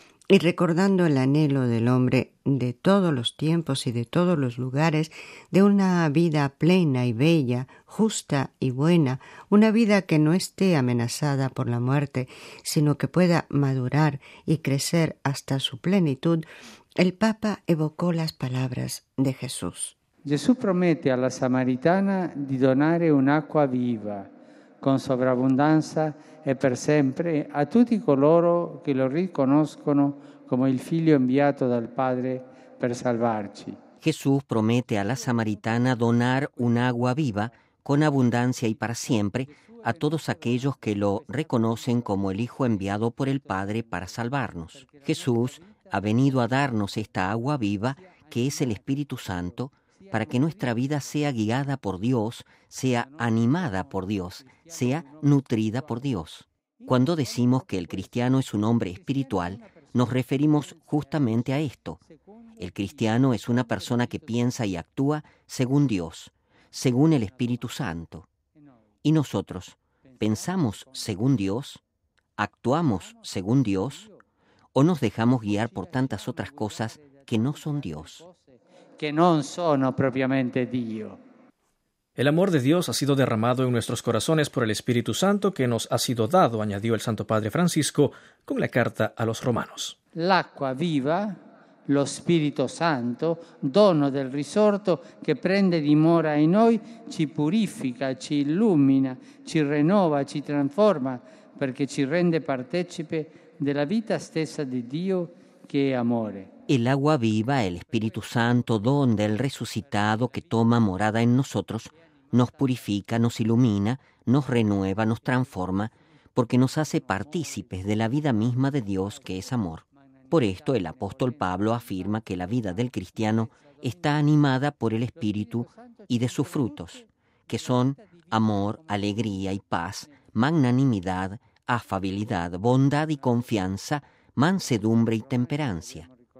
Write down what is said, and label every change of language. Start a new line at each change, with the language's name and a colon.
Spanish: Y recordando el anhelo del hombre de todos los tiempos y de todos los lugares, de una vida plena y bella, justa y buena, una vida que no esté amenazada por la muerte, sino que pueda madurar y crecer hasta su plenitud, el Papa evocó las palabras de Jesús. Jesús promete a la samaritana
Italian: di donare un'acqua viva, con sovrabbondanza e per sempre, a tutti coloro che lo riconoscono come il figlio inviato dal Padre per salvarci.
Spanish: Jesús promete a la samaritana donar un agua viva con abundancia y para siempre a todos aquellos que lo reconocen como el Hijo enviado por el Padre para salvarnos. Jesús ha venido a darnos esta agua viva que es el Espíritu Santo, para que nuestra vida sea guiada por Dios, sea animada por Dios, sea nutrida por Dios. Cuando decimos que el cristiano es un hombre espiritual, nos referimos justamente a esto. El cristiano es una persona que piensa y actúa según Dios, según el Espíritu Santo. ¿Y nosotros pensamos según Dios, actuamos según Dios, o nos dejamos guiar por tantas otras cosas que no son Dios? Que no son propiamente Dios. El amor de Dios ha sido derramado en nuestros corazones por el Espíritu Santo que nos ha sido dado, añadió el Santo Padre Francisco con la carta a los Romanos.
Italian: L'acqua viva, lo Spirito Santo, dono del risorto che prende dimora in noi, ci purifica, ci illumina, ci rinnova, ci trasforma, perché ci rende partecipe della vita stessa di Dio che è amore.
Spanish: El agua viva, el Espíritu Santo, don del resucitado que toma morada en nosotros, nos purifica, nos ilumina, nos renueva, nos transforma, porque nos hace partícipes de la vida misma de Dios que es amor. Por esto el apóstol Pablo afirma que la vida del cristiano está animada por el Espíritu y de sus frutos, que son amor, alegría y paz, magnanimidad, afabilidad, bondad y confianza, mansedumbre y temperancia.